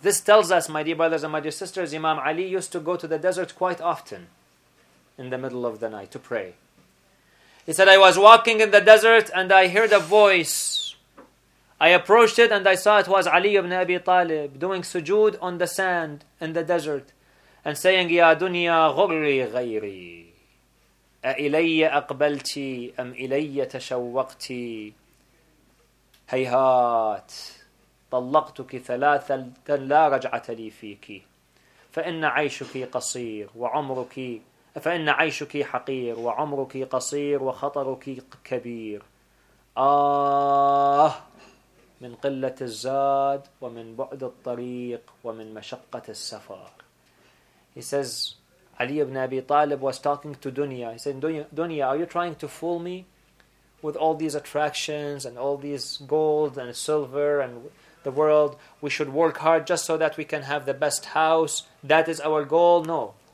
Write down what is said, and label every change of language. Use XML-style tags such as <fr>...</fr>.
<en>This tells us, my dear brothers and my dear sisters, Imam Ali used to go to the desert quite often in the middle of the night to pray. He said, I was walking in the desert and I heard a voice. I approached it and I saw it was Ali ibn Abi Talib doing sujood on the sand in the desert and saying,</en> <ar>Ya dunya ghurri ghayri. أَإِلَيَّ أَقْبَلْتِ أَمْ إِلَيَّ تَشَوَّقْتِ هيهات طلقتك ثلاثة لا رجعة لي فيك فإن عيشك قصير وعمرك فإن عيشك حقير وعمرك قصير وخطرك كبير آه من قلة الزاد ومن بعد الطريق ومن مشقة السفر.</ar> <en>He says Ali ibn Abi Talib was talking to Dunya. He said, Dunya, are you trying to fool me with all these attractions and all these gold and silver and the world? We should work hard just so that we can have the best house. That is our goal. No.</en>